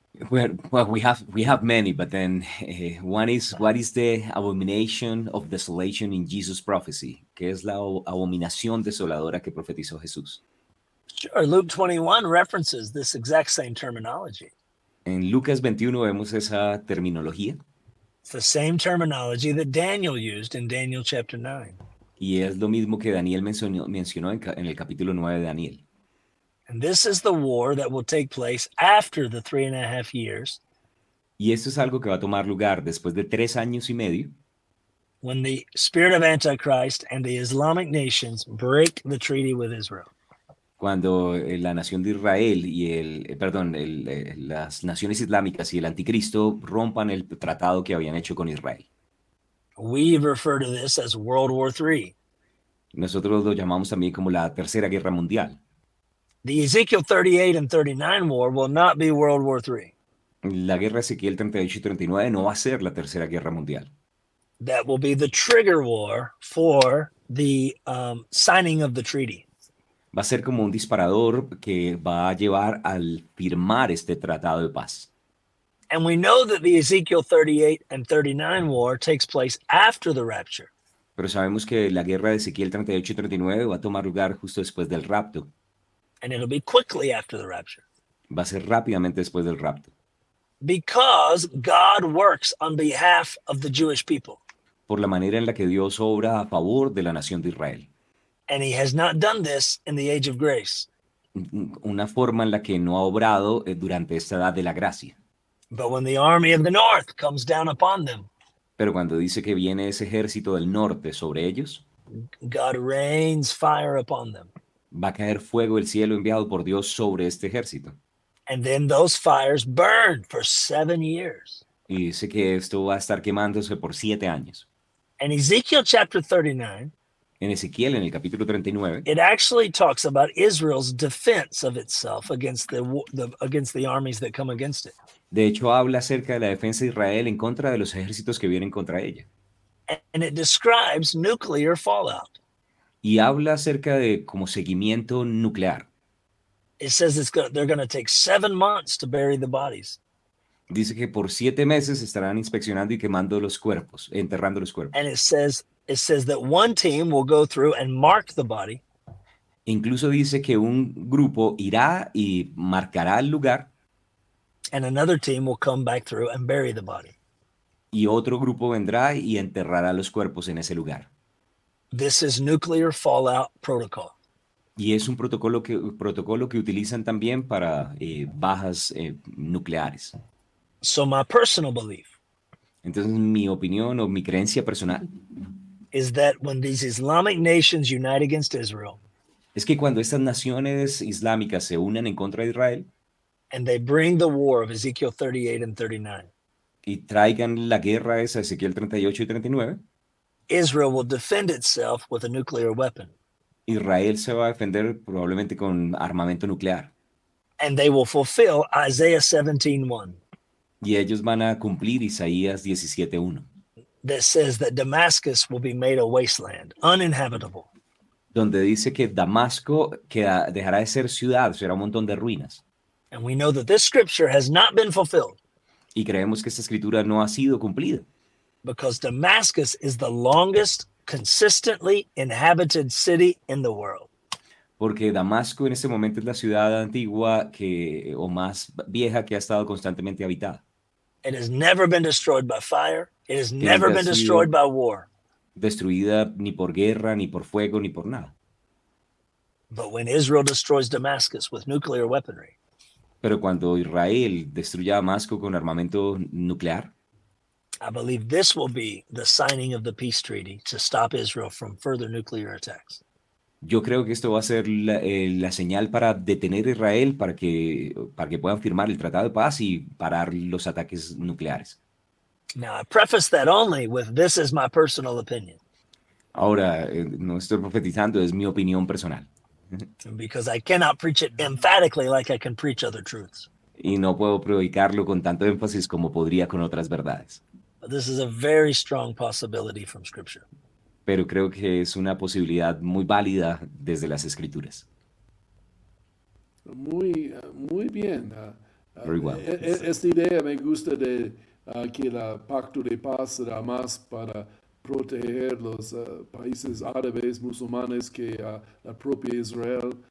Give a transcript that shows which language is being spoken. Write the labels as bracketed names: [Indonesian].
[English] We have many, but then one is, what is the abomination of desolation in Jesus' prophecy? [Spanish] ¿Qué es la abominación desoladora que profetizó Jesús? [English] Sure, Luke 21 references this exact same terminology. [Spanish] En Lucas 21 vemos esa terminología. [English] It's the same terminology that Daniel used in Daniel chapter 9. [Spanish] Y es lo mismo que Daniel mencionó en el capítulo 9 de Daniel. [English] And this is the war that will take place after the 3.5 years. [Spanish] Y esto es algo que va a tomar lugar después de 3 años y medio. [English] When the spirit of Antichrist and the Islamic nations break the treaty with Israel. [Spanish] Cuando la nación de Israel y las naciones islámicas y el anticristo rompan el tratado que habían hecho con Israel. [English] We refer to this as World War III. [Spanish] Nosotros lo llamamos también como la Tercera Guerra Mundial. [English] The Ezekiel 38 and 39 war will not be World War III. [Spanish] La guerra de Ezequiel 38 y 39 no va a ser la Tercera Guerra Mundial. [English] That will be the trigger war for the signing of the treaty. [Spanish] va a ser como un disparador que va a llevar al firmar este tratado de paz. [English] And we know that the Ezekiel 38 and 39 war takes place after the rapture. [Spanish] Pero sabemos que la guerra de Ezequiel 38 y 39 va a tomar lugar justo después del rapto. [English] And it'll be quickly after the rapture. [Spanish] Va a ser rápidamente después del rapto. [English] Because God works on behalf of the Jewish people. [Spanish] Por la manera en la que Dios obra a favor de la nación de Israel. [English] And he has not done this in the age of grace. [Spanish] Una forma en la que no ha obrado durante esta edad de la gracia. [English] But when the army of the north comes down upon them. [Spanish] Pero cuando dice que viene ese ejército del norte sobre ellos, [English] God rains fire upon them. [Spanish] Va a caer fuego del cielo enviado por Dios sobre este ejército. [English] And then those fires burn for 7 years. [Spanish] Y dice que esto va a estar quemándose por 7 años. [English] In Ezekiel chapter 39, [Spanish] en Ezequiel, en el capítulo 39, [English] it actually talks about Israel's defense of itself against the armies that come against it. [Spanish] De hecho, habla acerca de la defensa de Israel en contra de los ejércitos que vienen contra ella. [English] And it describes nuclear fallout. [Spanish] Y habla acerca de como seguimiento nuclear. [English] It says they're going to take 7 months to bury the bodies. [Spanish] Dice que por 7 meses estarán inspeccionando y quemando los cuerpos, enterrando los cuerpos. [English] And it says that one team will go through and mark the body. [Spanish] Incluso dice que un grupo irá y marcará el lugar. [English] And another team will come back through and bury the body. [Spanish] Y otro grupo vendrá y enterrará los cuerpos en ese lugar. [English] This is nuclear fallout protocol. [Spanish] Y es un protocolo que utilizan también para bajas nucleares. [English] So my personal belief. [Spanish] Entonces mi opinión o mi creencia personal [English] is that when these Islamic nations unite against Israel. [Spanish] Es que cuando estas naciones islámicas se unen en contra de Israel. [English] And they bring the war of Ezekiel 38 and 39. [Spanish] Y traigan la guerra esa, Ezequiel 38 y 39. [English] Israel will defend itself with a nuclear weapon. [Spanish] Israel se va a defender probablemente con armamento nuclear. [English] And they will fulfill Isaiah 17:1. [Spanish] Y ellos van a cumplir Isaías 17:1. [English] That says that Damascus will be made a wasteland, uninhabitable. [Spanish] Donde dice que Damasco dejará de ser ciudad, será un montón de ruinas. [English] And we know that this scripture has not been fulfilled. [Spanish] Y creemos que esta escritura no ha sido cumplida. [English] Because Damascus is the longest consistently inhabited city in the world. [Spanish] Porque Damasco en este momento es la ciudad antigua que o más vieja que ha estado constantemente habitada. [English] It has never been destroyed by fire. It has never been destroyed by war. [Spanish] Destruida ni por guerra, ni por fuego, ni por nada. [English] But when Israel destroys Damascus with nuclear weaponry, [Spanish] pero cuando Israel destruya Damasco con armamento nuclear, [English] I believe this will be the signing of the peace treaty to stop Israel from further nuclear attacks. [Spanish] Yo creo que esto va a ser la señal para detener a Israel para que puedan firmar el tratado de paz y parar los ataques nucleares. [English] Now, I preface that only with this is my personal opinion. [Spanish] Ahora, no estoy profetizando, es mi opinión personal. [English] Because I cannot preach it emphatically like I can preach other truths. [Spanish] Y no puedo predicarlo con tanto énfasis como podría con otras verdades. [English] But this is a very strong possibility from Scripture. [Spanish] Pero creo que es una posibilidad muy válida desde las Escrituras. Muy, muy bien. [English] Very well. [Spanish] Esta idea me gusta de que el pacto de paz será más para proteger los países árabes musulmanes que la propia Israel.